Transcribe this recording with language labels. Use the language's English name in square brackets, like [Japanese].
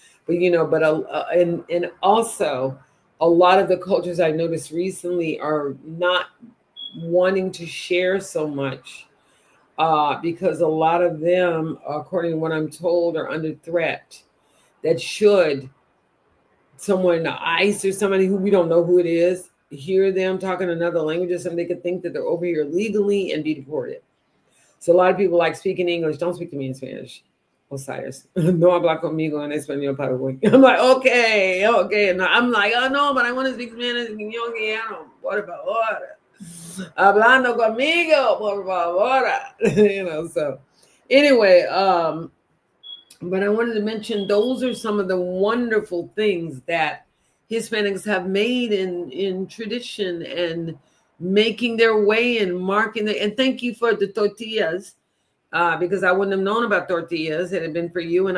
[English] But, you know, but and also, a lot of the cultures I've noticed recently are not wanting to share so much because a lot of them, according to what I'm told, are under threat that should someone, ICE or somebody who we don't know who it is, hear them talking another language or something, they could think that they're over here legally and be deported. So a lot of people like speaking English. Don't speak to me in Spanish. [Spanish] Osiris, no habla conmigo en español para hoy. [English] I'm like, okay. And I'm like, oh no, but I want to speak Spanish. [Spanish] Por favor. Hablando conmigo, por favor. [English] You know, so anyway, but I wanted to mention those are some of the wonderful things that Hispanics have made in tradition and making their way and marking it. And thank you for the tortillas. Because I wouldn't have known about tortillas had it been for you.